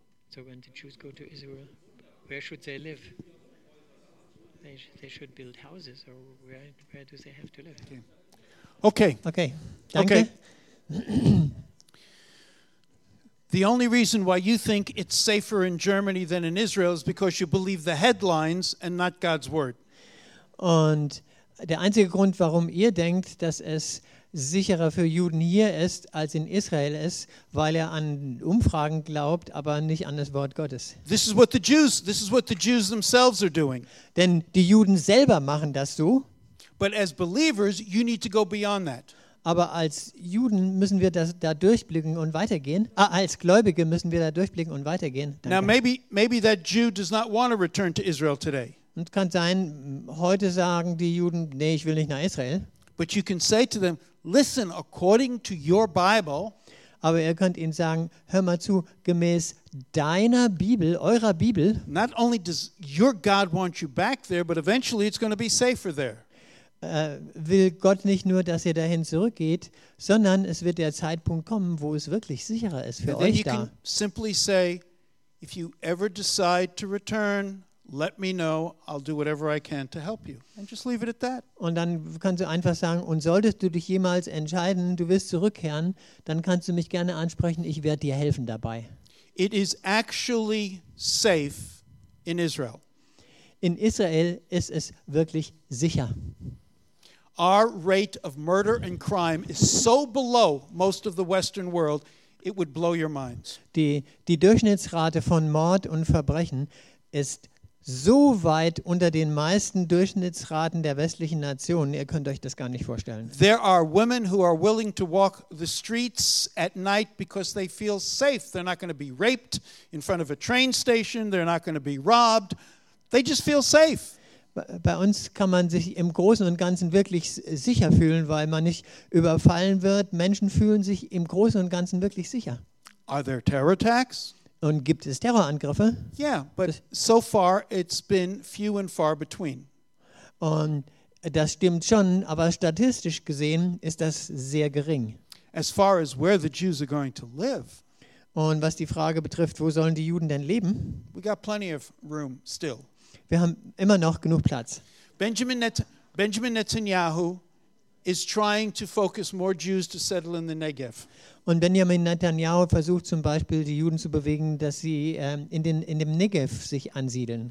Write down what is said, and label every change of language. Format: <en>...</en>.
<en>So when the Jews go to Israel, where should they live? They should build houses, or where do they have to live? Okay.</en> <de>Danke. Okay.</de> <en>The only reason why you think it's safer in Germany than in Israel is because you believe the headlines and not God's word.</en> <de>Und der einzige Grund, warum ihr denkt, dass es sicherer für Juden hier ist als in Israel ist, weil er an Umfragen glaubt, aber nicht an das Wort Gottes.</de> <en>This is what the Jews themselves are doing.</en> <de>Denn die Juden selber machen das so.</de> <en>But as believers, you need to go beyond that.</en> <de>Aber als Juden müssen wir das da durchblicken und weitergehen. Als Gläubige müssen wir da durchblicken und weitergehen. Danke.</de> <en>Now maybe that Jew does not want to return to Israel today.</en> <de>Und kann sein, heute sagen die Juden, nee, ich will nicht nach Israel.</de> <en>But you can say to them, listen, according to your Bible.</en> <de>Aber ihr könnt ihnen sagen, hör mal zu, gemäß deiner Bibel, eurer Bibel.</de> <en>Not only does your God want you back there, but eventually it's going to be safer there.</en> <de>Will Gott nicht nur, dass ihr dahin zurückgeht, sondern es wird der Zeitpunkt kommen, wo es wirklich sicherer ist für euch da.</de> <en>You can simply say, if you ever decide to return, let me know, I'll do whatever I can to help you. And just leave it at that.</en> <de>Und dann kannst du einfach sagen, und solltest du dich jemals entscheiden, du wirst zurückkehren, dann kannst du mich gerne ansprechen, ich werde dir helfen dabei.</de> <en>It is actually safe in Israel.</en> <de>In Israel ist es wirklich sicher.</de> <en>Our rate of murder and crime is so below most of the Western world, it would blow your minds.</en> <de>Die Durchschnittsrate von Mord und Verbrechen ist so weit unter den meisten Durchschnittsraten der westlichen Nationen, ihr könnt euch das gar nicht vorstellen.</de> <en>There are women who are willing to walk the streets at night because they feel safe. They're not going to be raped in front of a train station. They're not going to be robbed. They just feel safe.</en> <de>Bei uns kann man sich im Großen und Ganzen wirklich sicher fühlen, weil man nicht überfallen wird. Menschen fühlen sich im Großen und Ganzen wirklich sicher.</de> <en>Are there terror attacks?</en> <de>Und gibt es Terrorangriffe?</de> <en>Yeah, but so far it's been few and far between.</en> <de>Und das stimmt schon, aber statistisch gesehen ist das sehr gering.</de> <en>As far as where the Jews are going to live.</en> <de>Und was die Frage betrifft, wo sollen die Juden denn leben?</de> <en>We got plenty of room still.</en> <de>Wir haben immer noch genug Platz.</de> <en>Benjamin Netanyahu is trying to focus more Jews to settle in the Negev.</en> <de>Und Benjamin Netanyahu versucht zum Beispiel, die Juden zu bewegen, dass sie in dem Negev sich ansiedeln.</de>